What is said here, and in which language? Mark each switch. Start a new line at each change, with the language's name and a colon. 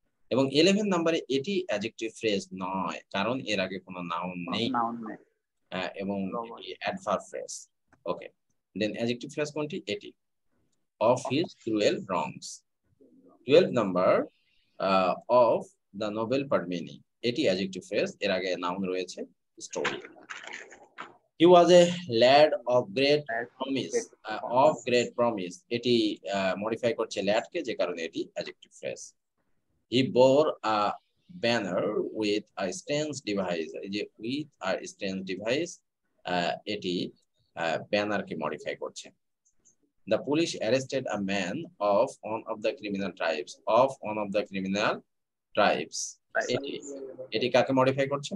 Bangla: এবং 11 নম্বরে এটি অ্যাডজেক্টিভ ফ্রেজ নয় কারণ এর আগে কোনো নাউন নেই এবং অ্যাডভার্ব ফ্রেজ। ওকে, দেন অ্যাডজেক্টিভ ফ্রেজ কোনটি? এটি
English: of his cruel wrongs
Bangla: 12 number of the Nobel Padmini এটি অ্যাডজেক্টিভ ফ্রেজ, এর আগে নাউন রয়েছে story.
English: He was a lad of great promise. Of great promise.
Bangla: এটি modify করছে ল্যাডকে, যে কারণে এটি adjective phrase.
English: He bore a banner with a strange device.
Bangla: যে
English: with a strange device
Bangla: এটি ব্যানারকে modify করছে।
English: The police arrested a man of one of the criminal tribes. Of one of the criminal tribes.
Bangla: এটি এটি কাকে modify করছে?